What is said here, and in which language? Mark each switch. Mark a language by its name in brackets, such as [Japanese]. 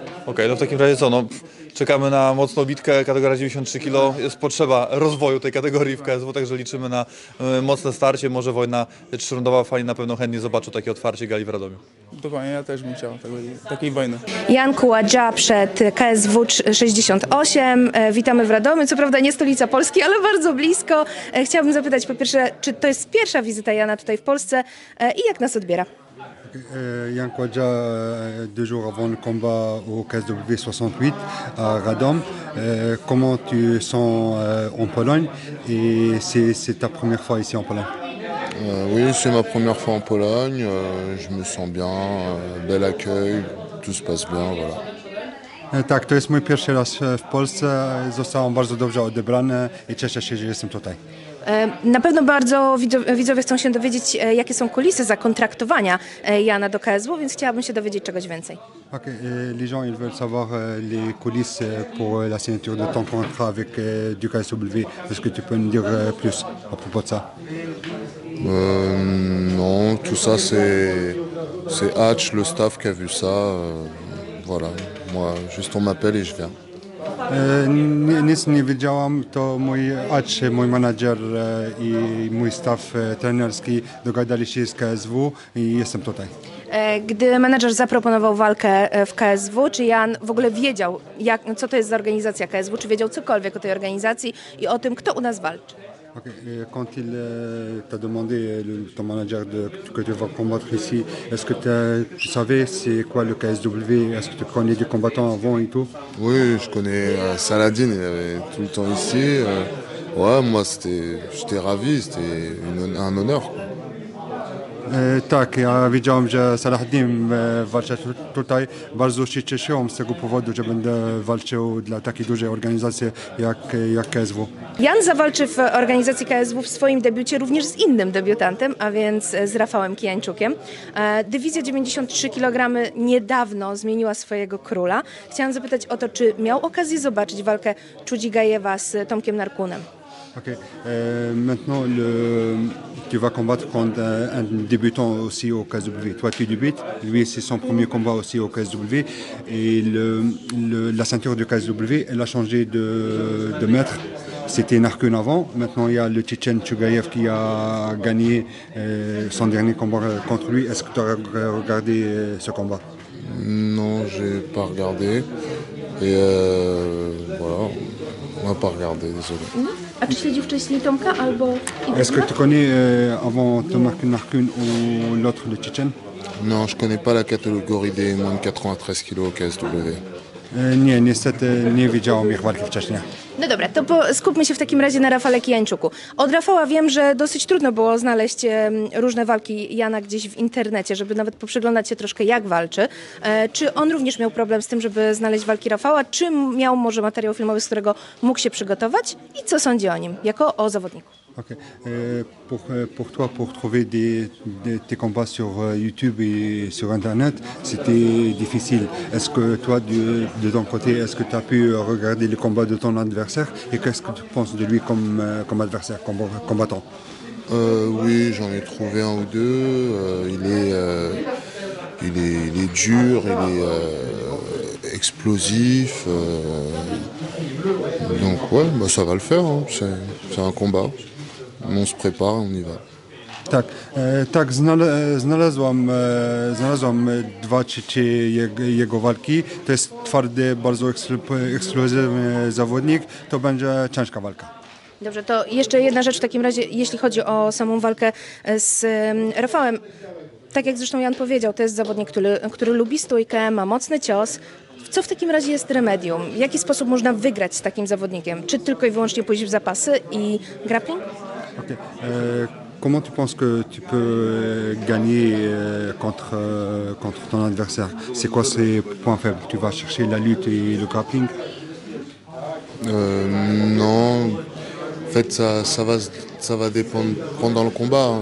[Polish] Okej, no w takim razie co, no czekamy na mocną bitkę, kategoria 93 kilo, jest potrzeba rozwoju tej kategorii w KSW, także liczymy na mocne starcie, może wojna trzyrundowa, fani na pewno chętnie zobaczą takie otwarcie gali w Radomiu. Dokładnie, ja też bym chciał takiej wojny. Jan Kuładża przed KSW 68, witamy w Radomiu, co prawda nie stolica Polski, ale bardzo blisko. Chciałbym zapytać po pierwsze, czy to jest pierwsza wizyta Jana tutaj w Polsce i jak nas odbiera? [French] Jan Kładża, deux jours avant le combat au KSW 68 à Radom. Comment tu sens en Pologne et c'est ta première fois ici en Pologne? Oui, c'est ma première fois en Pologne. Je me sens bien, bel accueil, tout se passe bien, voilà. [Polish] Tak, to jest mój pierwszy raz w Polsce. Zostałem bardzo dobrze odebrany i cieszę się, że jestem tutaj. Na pewno bardzo widzowie chcą się dowiedzieć, jakie są kulisy zakontraktowania Jana do KSW, więc chciałabym się dowiedzieć czegoś więcej. [French] Ok, les gens ils veulent savoir les coulisses pour la signature de ton contrat avec du KSW. Est-ce que tu peux nous dire plus à propos de ça? Non, tout ça c'est Hatch, le staff qui a vu ça. Voilà, moi juste on m'appelle et je viens. [Polish] Nic nie wiedziałam, to mój acz, mój manager i mój staff trenerski dogadali się z KSW i jestem tutaj. Gdy menedżer zaproponował walkę w KSW, czy Jan w ogóle wiedział, jak, co to jest za organizacja KSW, czy wiedział cokolwiek o tej organizacji i o tym, kto u nas walczy? Okay. [French] Quand il t'a demandé, ton manager, que tu vas combattre ici, est-ce que tu savais c'est quoi le KSW? Est-ce que tu connais des combattants avant et tout? Oui, je connais Saladin, il y avait tout le temps ici. Ouais, moi, j'étais ravi, c'était un honneur. [Polish] Tak, ja widziałem, że Saladin walczy tutaj. Bardzo się cieszyłem z tego powodu, że będę walczył dla takiej dużej organizacji jak KSW. Jan zawalczy w organizacji KSW w swoim debiucie również z innym debiutantem, a więc z Rafałem Kijańczukiem. Dywizja 93 kg niedawno zmieniła swojego króla. Chciałam zapytać o to, czy miał okazję zobaczyć walkę Czudzigajewa z Tomkiem Narkunem? [French] Ok, maintenant tu vas combattre contre un débutant aussi au KSW. Toi tu débutes, lui c'est son premier combat aussi au KSW. Et la ceinture du KSW, elle a changé de maître. C'était Narkun avant, maintenant il y a le Tchétchène Chugayev qui a gagné son dernier combat contre lui. Est-ce que tu as regardé ce combat? Non, j'ai pas regardé. Et voilà. On n'a pas regardé, désolé. Mmh. As-tu fait du Tchétchène Tomka albo... Est-ce que tu connais avant Tomak Narkun ou l'autre, le Tchétchène? Non, je ne connais pas la catégorie des moins de 93 kg au KSW. [Polish] Nie, niestety nie widziałam ich walki wcześniej. No dobra, to skupmy się w takim razie na Rafale Kijańczuku. Od Rafała wiem, że dosyć trudno było znaleźć różne walki Jana gdzieś w internecie, żeby nawet poprzyglądać się troszkę, jak walczy. Czy on również miał problem z tym, żeby znaleźć walki Rafała? Czy miał może materiał filmowy, z którego mógł się przygotować? I co sądzi o nim, jako o zawodniku? Ok. [French] Pour toi, pour trouver tes combats sur YouTube et sur Internet, c'était difficile. Est-ce que toi, de ton côté, est-ce que tu as pu regarder le combat de ton adversaire et qu'est-ce que tu penses de lui comme adversaire, comme combattant? Oui, j'en ai trouvé un ou deux. Il est dur, il est explosif. Donc ouais, bah, ça va le faire, hein. C'est un combat. On se prépare, on y va. [Polish] Tak, tak znalazłam dwa czy trzy jego walki. To jest twardy, bardzo eksplozywny zawodnik. To będzie ciężka walka. Dobrze, to jeszcze jedna rzecz w takim razie, jeśli chodzi o samą walkę z Rafałem. Tak jak zresztą Jan powiedział, to jest zawodnik, który lubi stójkę, ma mocny cios. Co w takim razie jest remedium? W jaki sposób można wygrać z takim zawodnikiem? Czy tylko i wyłącznie pójść w zapasy i grappling? Ok. [French] Comment tu penses que tu peux gagner contre ton adversaire? C'est quoi ses points faibles? Tu vas chercher la lutte et le grappling? Non. En fait, ça va dépendre pendant le combat. Hein.